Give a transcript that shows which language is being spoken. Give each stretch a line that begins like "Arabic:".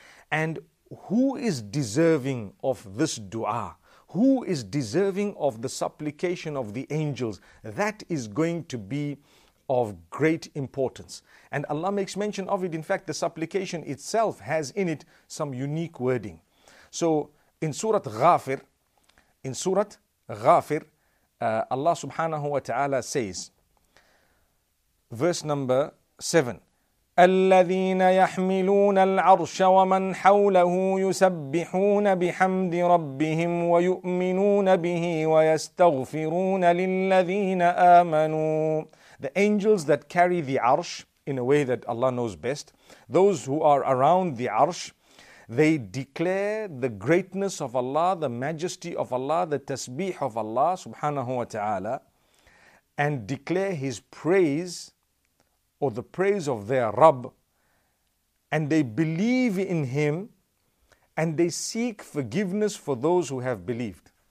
English: And who is deserving of this dua? Who is deserving of the supplication of the angels? That is going to be of great importance. And Allah makes mention of it. In fact, the supplication itself has in it some unique wording. So in Surah Ghafir, Allah subhanahu wa ta'ala says, verse number 7,
Arabic: الَّذِينَ يَحْمِلُونَ الْعَرْشَ وَمَنْ حَوْلَهُ يُسَبِّحُونَ بِحَمْدِ رَبِّهِمْ وَيُؤْمِنُونَ بِهِ وَيَسْتَغْفِرُونَ لِلَّذِينَ آمَنُوا.
English: The angels that carry the arsh, in a way that Allah knows best, those who are around the arsh, they declare the greatness of Allah, the majesty of Allah, the tasbih of Allah subhanahu wa ta'ala, and declare His praise, or the praise of their Rabb, and they believe in Him, and they seek forgiveness for those who have believed.